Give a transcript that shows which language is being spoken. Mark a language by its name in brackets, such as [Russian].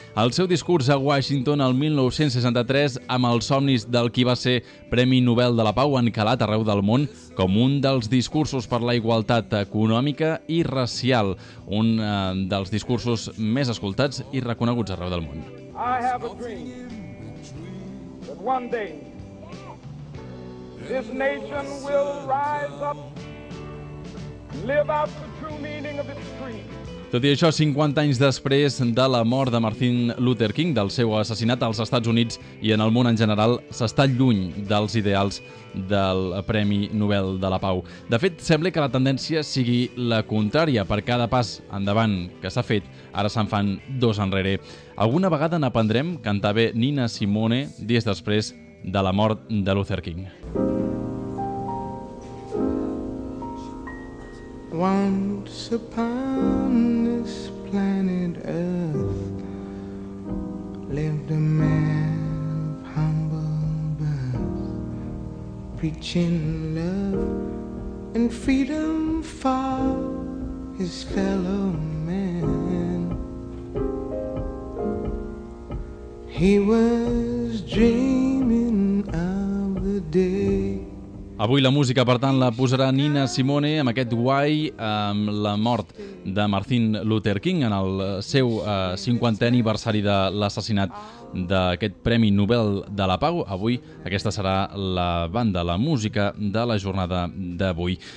[Catalan] El seu discurs a Washington el 1963, amb els somnis del qui va ser Premi Nobel de la Pau, han calat arreu del món com un dels discursos per la igualtat econòmica i racial, un dels discursos més escoltats i reconeguts arreu del món. [English] I have a dream that one day this nation will rise up, live out the true meaning of its creed. [Catalan] Tot i això, 50 anys després de la mort de Martin Luther King, del seu assassinat als Estats Units i en el món en general, s'està lluny dels ideals del Premi Nobel de la Pau. De fet, sembla que la tendència sigui la contrària. Per cada pas endavant que s'ha fet, ara se'n fan dos enrere. Alguna vegada n'aprendrem, cantava Nina Simone dies després de la mort de Luther King. [English] Once upon this planet Earth lived a man of humble birth, preaching love and freedom for his fellow man. He was dreaming of the day. [Catalan] Avui la música, per tant, la posarà Nina Simone amb aquest guai, amb la mort de Martin Luther King en el seu 50è aniversari de l'assassinat d'aquest Premi Nobel de la Pau. Avui aquesta serà la banda, la música de la jornada d'avui.